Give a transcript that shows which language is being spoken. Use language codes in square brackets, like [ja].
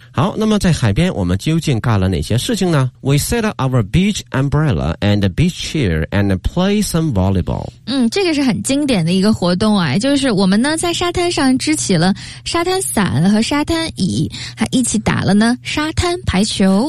[zh] 好，那么在海边我们究竟干了哪些事情呢？ [en] We set up our beach umbrella and beach chair and play some volleyball. [zh] 嗯，这个是很经典的一个活动啊，就是我们呢在沙滩上支起了沙滩伞和沙滩椅，还一起打了呢沙滩排球。